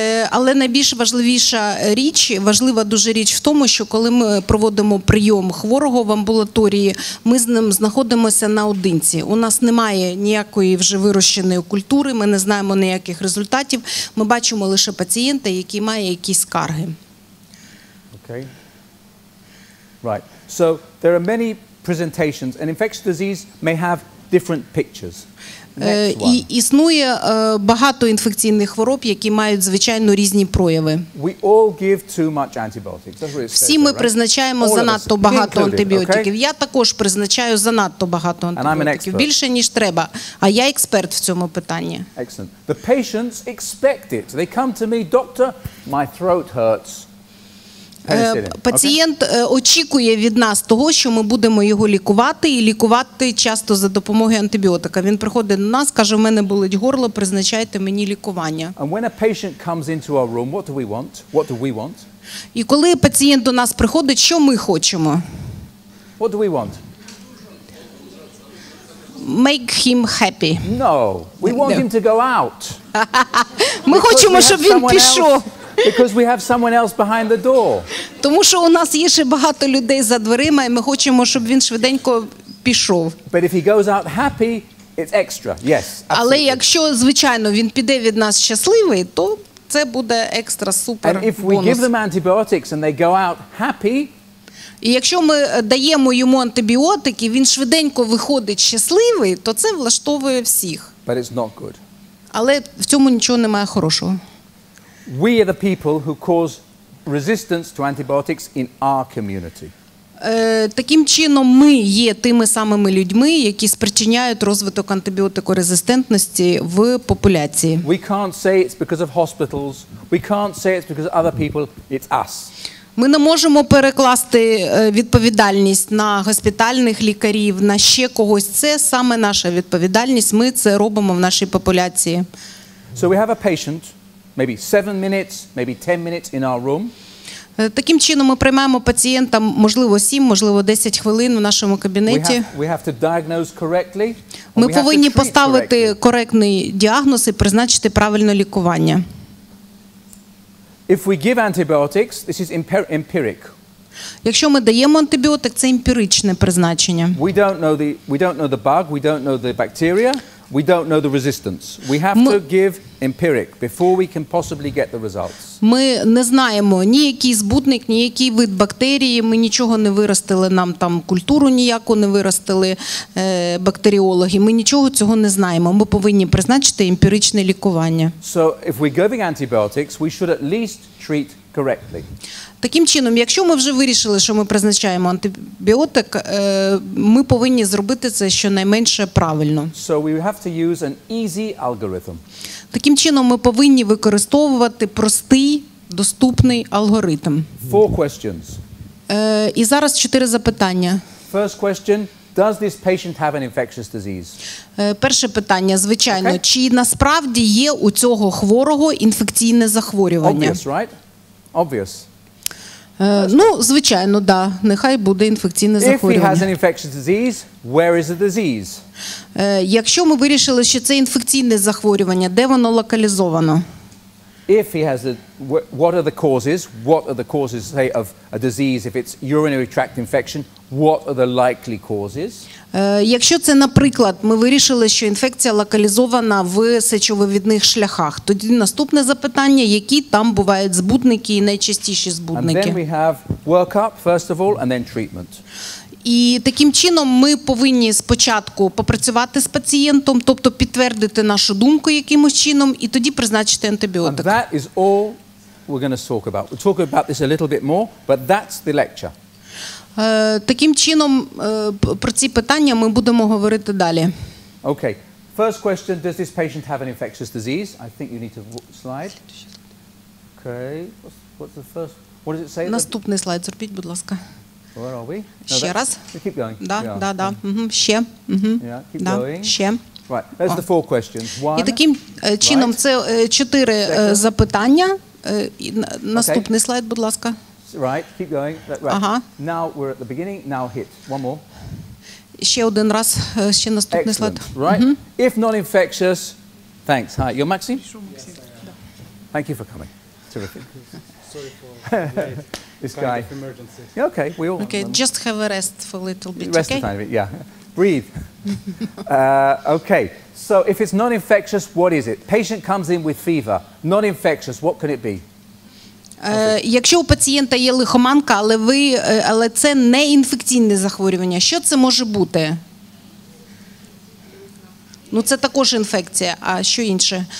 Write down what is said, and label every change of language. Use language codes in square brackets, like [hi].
[uk] Але найбільш важливіша річ, важлива дуже річ в тому, що коли ми проводимо прийом хворого в амбулаторії, ми з ним знаходимося наодинці. У нас немає ніякої вже вирощеної культури, ми не знаємо ніяких результатів. Ми бачимо лише пацієнта, який має якісь скарги. [en] Okay. Right. So there are many presentations, and infectious disease may have different pictures. [uk] І існує багато інфекційних хвороб, які мають звичайно різні прояви. [en] We all give too much antibiotics. [uk] Всі ми призначаємо занадто багато антибіотиків. Я також призначаю занадто багато антибіотиків, більше ніж треба, а я експерт в цьому питанні. [en] Excellent. The patients expect it. They come to me, doctor, my throat hurts. [uk] Пацієнт очікує від нас того, що ми будемо його лікувати, і лікувати часто за допомогою антибіотика. Він приходить до нас, каже, у мене болить горло, призначайте мені лікування. [en] And when a patient comes into our room, what do we want? What do we want? [uk] І коли пацієнт до нас приходить, що ми хочемо? [en] What do we want? Make him happy. No, we want him to go out. [uk] Ми хочемо, щоб він пішов. [en] Because we have someone else behind the door. [uk] Тому що у нас є ще багато людей за дверима, і ми хочемо, щоб він швиденько пішов. [en] But if he goes out happy, it's extra. Yes. Absolutely. [uk] Але якщо звичайно він піде від нас щасливий, то це буде екстра супер бонус. [en] And if we give them antibiotics and they go out happy, [uk] і якщо ми даємо йому антибіотики, він швиденько виходить щасливий, то це влаштовує всіх. [en] But it's not good. [uk] Але в цьому нічого немає хорошого. [en] We are the people who cause resistance to antibiotics in our community. [uk] Таким чином ми є тими самими людьми, які спричиняють розвиток антибіотикорезистентності в популяції. [en] We can't say it's because of hospitals. We can't say it's because of other people. It's us. [uk] Ми не можемо перекласти відповідальність на госпітальних лікарів, на ще когось. Це саме наша відповідальність. Ми це робимо в нашій популяції. [en] So we have a patient. Maybe 7 minutes, maybe 10 minutes in our room. [uk] Таким чином ми приймаємо пацієнта, можливо, 7, можливо, 10 хвилин в нашому кабінеті. [en] We have to diagnose correctly. [uk] Ми повинні поставити коректний діагноз і призначити правильне лікування. [en] If we give antibiotics, this is empiric. [uk] Якщо ми даємо антибіотик, це емпіричне призначення. [en] We don't know the bug, we don't know the bacteria. We don't know the resistance. We have to give empiric before we can possibly get the results. [uk] Ми не знаємо ні який збудник, ні який вид бактерії. Ми нічого не виростили, нам там культуру ніяку не виростили бактеріологи. Ми нічого цього не знаємо. Ми повинні призначити емпіричне лікування. [en] So if we're giving antibiotics, we should at least treat correctly. [uk] Таким чином, якщо ми вже вирішили, що ми призначаємо антибіотик, ми повинні зробити це щонайменше правильно. [en] So we have to use an easy algorithm. [uk] Таким чином, ми повинні використовувати простий, доступний алгоритм. [en] Four questions. [uk] І зараз 4 запитання. [en] First question, does this patient have an infectious disease? [uk] Перше питання, звичайно, okay. Чи насправді є у цього хворого інфекційне захворювання? [en] Obvious, right? Obvious. [uk] Ну, звичайно, да. Нехай буде інфекційне захворювання. [en] If he has an infectious disease, where is the disease? [uk] Якщо ми вирішили, що це інфекційне захворювання, де воно локалізовано? [en] If he has a, what are the causes? What are the causes, say, of a disease if it's urinary tract infection? What are the likely causes? [uk] Якщо це, наприклад, ми вирішили, що інфекція локалізована в сечововідних шляхах, тоді наступне запитання, які там бувають збудники і найчастіші збудники? [en] And then we have workup, first of all, and then treatment. [uk] І таким чином ми повинні спочатку попрацювати з пацієнтом, тобто підтвердити нашу думку якимось чином, і тоді призначити антибіотик. [en] And that is all we're going to talk about. We'll talk about this a little bit more, but that's the lecture. [uk] Таким чином, про ці питання ми будемо говорити далі. [en] Okay. First question, does this patient have an infectious disease? I think you need to slide. Okay. What's the first? What does it say? [uk] Наступний слайд зробіть, будь ласка. [en] Where are we? No, [uk] ще раз. [en] Keep going. [uk] Да, [en] yeah. [uk] Да, да. Ще. [en] Yeah, keep going. [uk] Ще. [en] Right. There's the four questions. One. [uk] І таким чином це 4 запитання. Наступний okay. Слайд, будь ласка. [en] Right, keep going. Right. [uk] Ага. [en] Now we're at the beginning. Now hit. One more. [uk] Ще один раз, ще наступний [en] Excellent. [uk] Слайд. [en] Right. Mm-hmm. If not infectious, thanks. Hi, you're Maxim? Yes, yeah. Thank you for coming. Terrific. Sorry for late. This kind guy. Of emergency. Yeah, okay, we all Okay, have just have a rest for a little bit, rest okay? Rest a tiny bit, yeah. Breathe. okay, so if it's not infectious, what is it? Patient comes in with fever. Not infectious, what could it be? [uk] Якщо у пацієнта є лихоманка, але це не інфекційне захворювання, що це може бути? Ну, це також інфекція, а що інше?